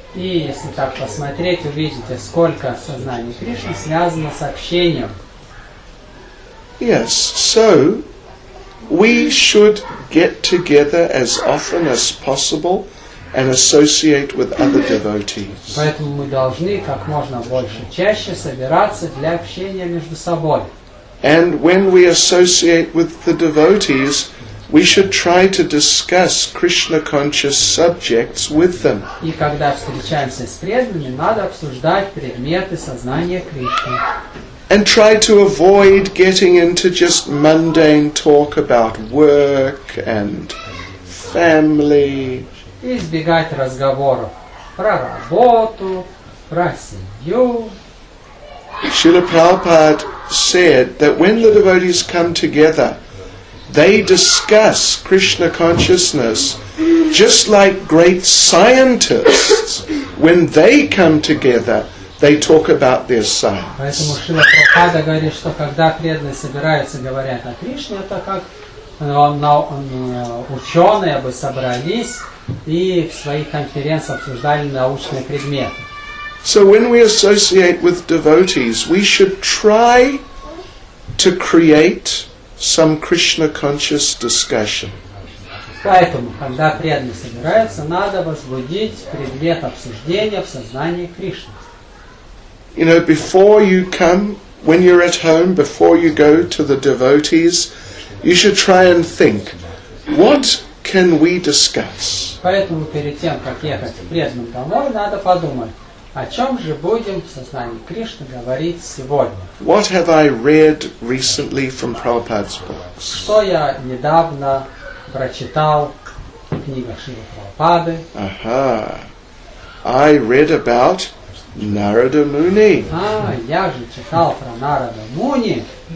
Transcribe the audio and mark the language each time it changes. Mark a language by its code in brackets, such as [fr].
[en] Yes, so we should get together as often as possible and associate with other devotees. [ru] Поэтому мы должны как можно больше чаще собираться для общения между собой. [en] And when we associate with the devotees, we should try to discuss Krishna conscious subjects with them. [ru] И когда встречаемся с преданными, надо обсуждать предметы сознания Кришны. [en] And try to avoid getting into just mundane talk about work and family. [ru] И избегать разговоров про работу, про семью. [en] Srila Prabhupada said that when the devotees come together, they discuss Krishna consciousness just like great scientists. When they come together, they talk about their science. [ru] Поэтому Шрила Прабхупада говорит, что когда преданные собираются, говорят о Кришне, это как ученые бы собрались и в своих конференциях обсуждали научные предметы. [en] So when we associate with devotees, we should try to create some Krishna conscious discussion. [ru] Поэтому, когда преданные собираются, надо возбудить предмет обсуждения в сознании Кришны. [en] You know, before you come, when you're at home, before you go to the devotees, you should try and think, what can we discuss? [ru] Поэтому перед тем, как ехать к преданным домой, надо подумать, о чем же будем в сознании Кришны говорить сегодня. [en] What have I read recently from Prabhupada's books? [ru] Что я недавно прочитал в книгах Шрилы Прабхупады? [en] I read about Narada Muni. [ru] Я же читал про Нарада Муни.